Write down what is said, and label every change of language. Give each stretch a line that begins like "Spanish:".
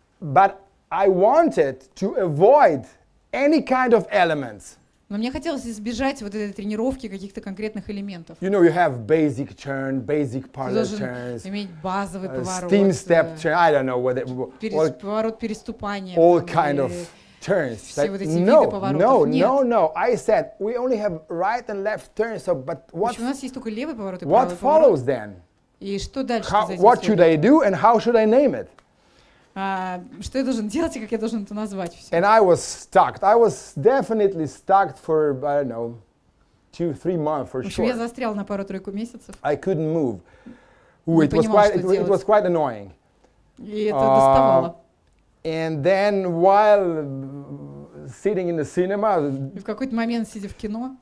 English: But I wanted to avoid any kind of elements.
Russian: Но мне хотелось избежать вот этой тренировки каких-то конкретных элементов.
English: You know, you have basic turn, basic parallel turns.
Russian: Иметь базовый поворот.
English: Steam step turn, I don't know what.
Russian: Поворот переступания.
English: All kind of turns.
Russian: Все вот эти виды поворотов.
English: No, no, no. I said we only have right and left turns. So, but what?
Russian: У нас есть только левый поворот и правый поворот.
English: What follows then?
Russian: И что дальше?
English: What should I do and how should I name it?
Russian: Что я должен делать и как я должен это назвать все?
English: And I was stuck. I was definitely stuck for, I don't know, 2-3 months for sure.
Russian: В общем, я застрял на пару-тройку месяцев.
English: I couldn't move. It was quite annoying.
Russian: И это доставало.
English: And then while sitting in the cinema.
Russian: В какой-то момент сидя в кино.